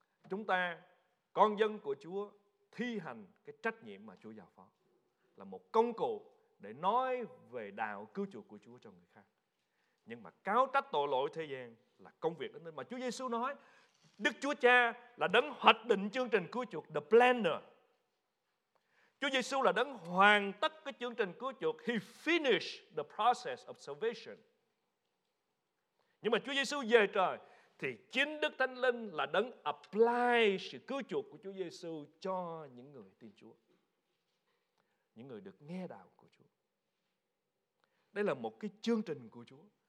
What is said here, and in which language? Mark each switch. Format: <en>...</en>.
<vi>Chúng ta, con dân của Chúa, thi hành cái trách nhiệm mà Chúa giao phó, là một công cụ để nói về đạo cứu chuộc của Chúa cho người khác. Nhưng mà cáo trách tội lỗi thế gian là công việc đó. Mà Chúa Giêsu nói, Đức Chúa Cha là đấng hoạch định chương trình cứu chuộc,</vi> <en>the planner.</en> <vi>Chúa Giêsu là đấng hoàn tất cái chương trình cứu chuộc.</vi> <en>He finished the process of salvation.</en> <vi>Nhưng mà Chúa Giêsu về trời thì chính Đức Thánh Linh là đấng apply sự cứu chuộc của Chúa Giêsu cho những người tin Chúa, những người được nghe đạo của Chúa. Đây là một cái chương trình của Chúa.</vi>